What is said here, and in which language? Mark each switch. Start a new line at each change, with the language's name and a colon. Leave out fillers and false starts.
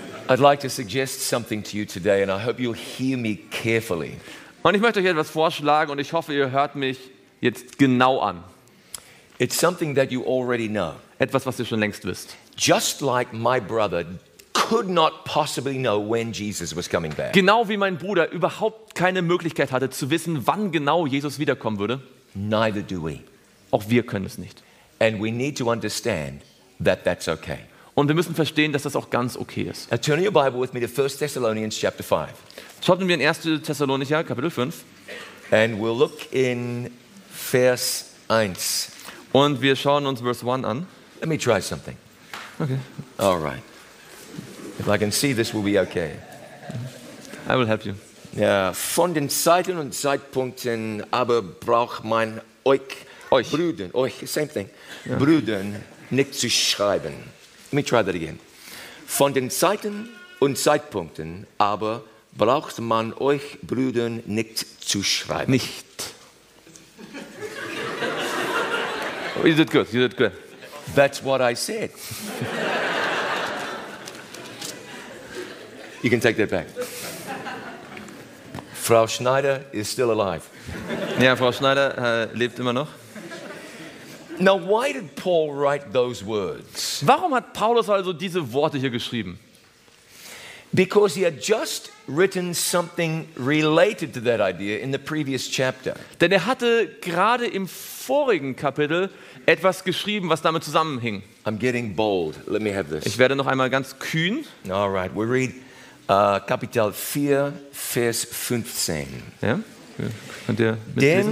English: I'd like to suggest something to you today and I hope you'll hear me carefully.
German: Und ich möchte euch etwas vorschlagen und ich hoffe, ihr hört mich jetzt genau an.
English: It's something that you already know.
German: Etwas, was ihr schon längst wisst.
English: Just like my brother could not possibly know when Jesus was coming back.
German: Genau wie mein Bruder überhaupt keine Möglichkeit hatte zu wissen, wann genau Jesus wiederkommen würde.
English: Neither do we.
German: Auch wir können es nicht.
English: And we need to understand that that's okay.
German: Und wir müssen verstehen, dass das auch ganz okay ist.
English: Now turn your Bible with me to 1 Thessalonians chapter 5.
German: Schauen wir in 1. Thessalonicher Kapitel 5.
English: And we'll look in Vers 1.
German: Und wir schauen uns Vers 1 an.
English: Let me try something. Okay. All right. If I can see, this will be okay. I will help you.
German: Ja, von den Zeiten und Zeitpunkten aber braucht man euch. Brüdern, euch,
English: same thing. Yeah.
German: Brüdern nicht zu schreiben.
English: Let me try that again.
German: Von den Zeiten und Zeitpunkten aber braucht man euch Brüdern nicht zu schreiben. Nicht.
English: You did good, you did good. That's what I said. You can take that back. Frau Schneider is still alive.
German: Ja, Frau Schneider lebt immer noch.
English: Now, why did Paul write those words?
German: Warum hat Paulus also diese Worte hier geschrieben?
English: Because he had just written something related to that idea in the previous chapter.
German: Denn er hatte gerade im vorigen Kapitel etwas geschrieben, was damit zusammenhing.
English: I'm getting bold. Let me have this.
German: Ich werde noch einmal ganz kühn.
English: All right, we read
German: Kapitel 4, Vers 15. Ja? Könnt ihr mitlesen?